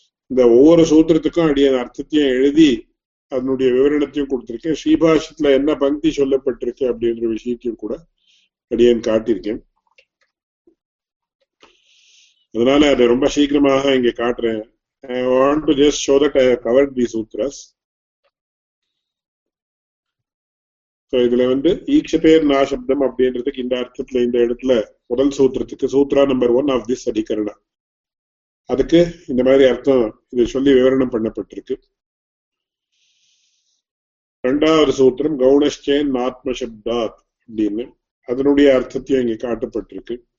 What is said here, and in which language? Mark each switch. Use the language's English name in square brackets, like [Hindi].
[Tamil] இந்த ஒவ்வொரு சூத்திரத்துக்கும் அடியான அர்த்தத்தையும் எழுதி அதனுடைய விவரணத்தையும் கொடுத்துருக்கேன். ஸ்ரீபாஷ்யத்துல என்ன பங்கி சொல்லப்பட்டிருக்கு அப்படின்ற விஷயத்தையும் கூட அடியான் காட்டியிருக்கேன். அதனால அதை ரொம்ப சீக்கிரமாக இங்க காட்டுறேன். [English] I want to just show that I have covered these sutras. [Tamil] So, இதிலே வந்து ஈக்ஷபேர் நாசப்தம் அப்படின்றதுக்கு இந்த அர்த்தத்துல இந்த இடத்துல முதல் சூத்திரத்துக்கு சூத்ரா [English] number one of this [Tamil] அதிகரணம் அதுக்கு இந்த மாதிரி அர்த்தம் இதை சொல்லி விவரணம் பண்ணப்பட்டிருக்கு. ரெண்டாவது சூத்திரம் கௌணஷ்சேன் ஆத்மசப்தாத் அப்படின்னு அதனுடைய அர்த்தத்தையும் இங்க காட்டப்பட்டிருக்கு.